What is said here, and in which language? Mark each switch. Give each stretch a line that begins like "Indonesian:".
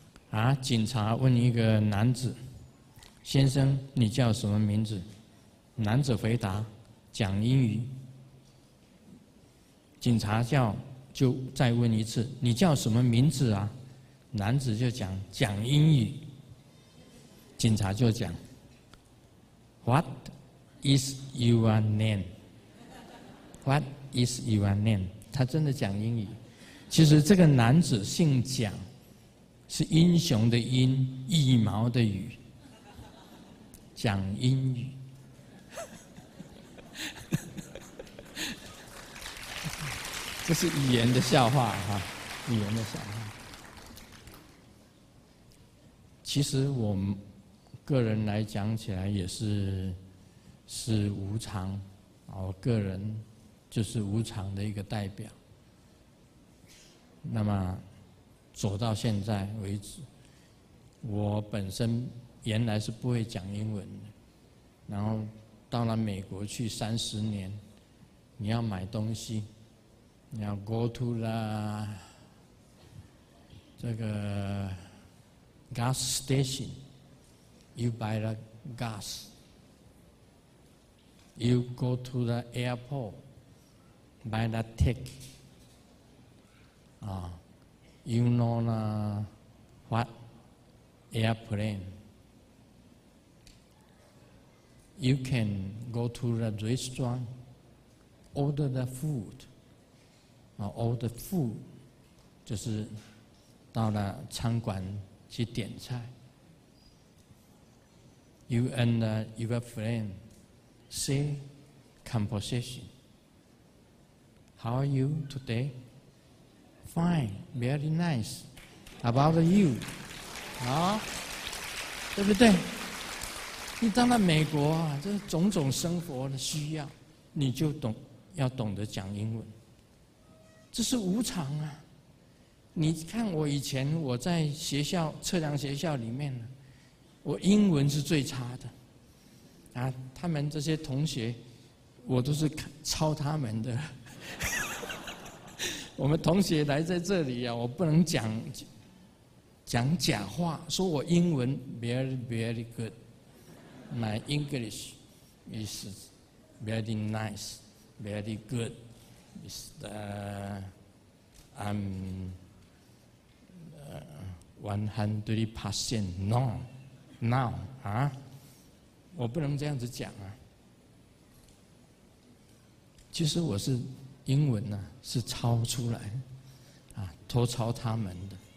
Chinese: 啊，警察问一个男子，先生你叫什么名字？男子回答，讲英语。警察叫就再问一次，你叫什么名字啊？男子就讲，讲英语。警察就讲，
English: What is your name? What is your name?
Chinese: 他真的讲英语。其实这个男子姓蒋，是英雄的英，羽毛的羽，讲英语。这是语言的笑话哈，语言的笑话。其实我们个人来讲起来也是无常，我个人就是无常的一个代表。那么走到现在为止，我本身原来是不会讲英文的，然后到了美国去30年，你要买东西，你要
English: go to
Chinese: 啦，这个 gas station，
English: you buy the gas， you go to the airport， buy the ticket， you know the what airplane， you can go to the restaurant， order the food。 All the food
Chinese: 就是到了餐馆去点菜。
English: You and your friend say conversation. How are you today? Fine, very nice. About you?
Chinese: 对不对？你到了美国啊，这种种生活的需要，你就要懂得讲英文。这是无常啊！你看我以前我在学校测量学校里面，我英文是最差的啊！他们这些同学，我都是抄他们的。我们同学来在这里啊，我不能讲假话，说我英文
English: very very good， my English is very nice， very good is the。 I'm 100% no now
Chinese: 啊，我不能这样子讲啊。其实我是英文呢、是抄出来啊，偷抄他们的。